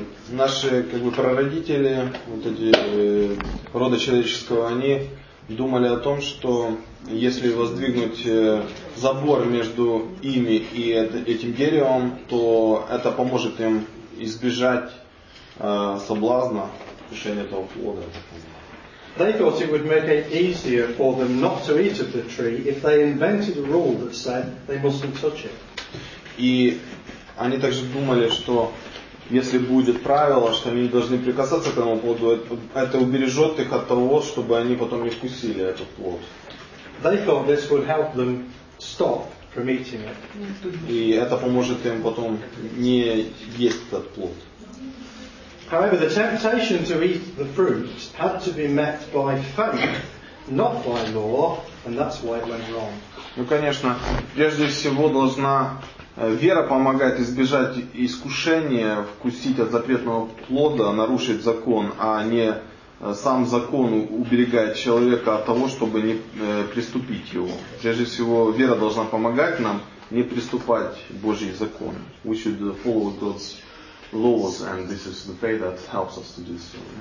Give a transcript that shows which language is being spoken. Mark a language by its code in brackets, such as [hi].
[ru] Наши как бы прародители, вот эти рода человеческого, они думали о том, что если воздвигнуть забор между ими и этим деревом, то это поможет им избежать соблазна кушения этого плода. [en] They thought it would make it easier for them not to eat of the tree if they invented a rule that said they mustn't touch it. [ru] И они также думали, что если будет правило, что они не должны прикасаться к этому плоду, это убережет их от того, чтобы они потом не вкусили этот плод. [en] They thought this would help them stop from eating it. [ru] И это поможет им потом не есть этот плод. [en] However, the temptation to eat the fruit had to be met by faith, not by law, and that's why it went wrong. [ru] Ну, конечно, прежде всего должна вера помогать избежать искушения вкусить от запретного плода, нарушить закон, а не сам закон уберегает человека от того, чтобы не приступить его. Прежде всего, вера должна помогать нам не приступать к Божьему закону. [en] We should follow God's laws, and this is the faith that helps us to do so.